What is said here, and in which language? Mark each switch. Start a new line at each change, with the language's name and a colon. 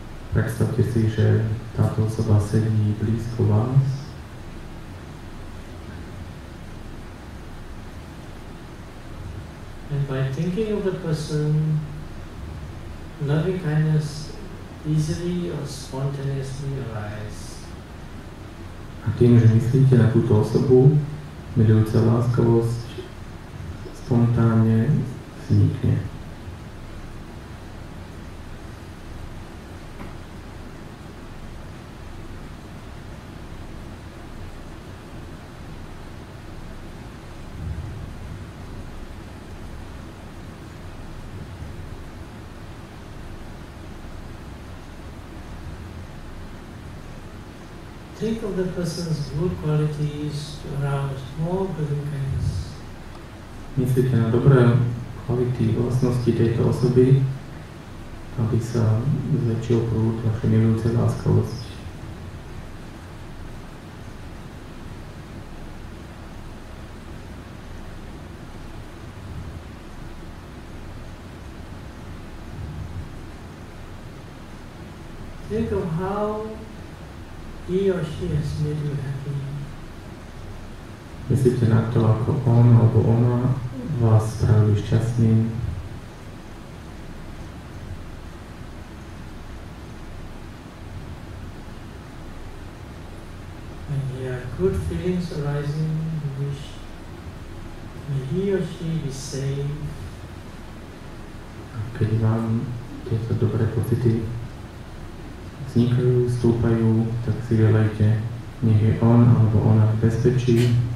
Slovak: Predstavte si, že táto osoba sedí blízko vás.
English: And by thinking of the person, loving kindness easily or spontaneously arise.
Slovak: A tým, že myslíte na túto osobu, milujúca láskavosť spontánne vznikne.
English: Think of the person's good qualities to arouse more loving kindness.
Slovak: Myslíte na dobré kvality, vlastnosti tejto osoby, aby sa zväčšil prúd vaše milujúce láskavosť.
English: Think of how he or she has made you happy.
Slovak: Myslíte na to, ako on alebo ona vás spravili šťastným.
English: When there are good feelings arising, you wish may he or she be safe.
Slovak: Keď vám tieto dobré pocity vznikajú, stúpajú, tak si vylejte, nech je on alebo ona v bezpečí.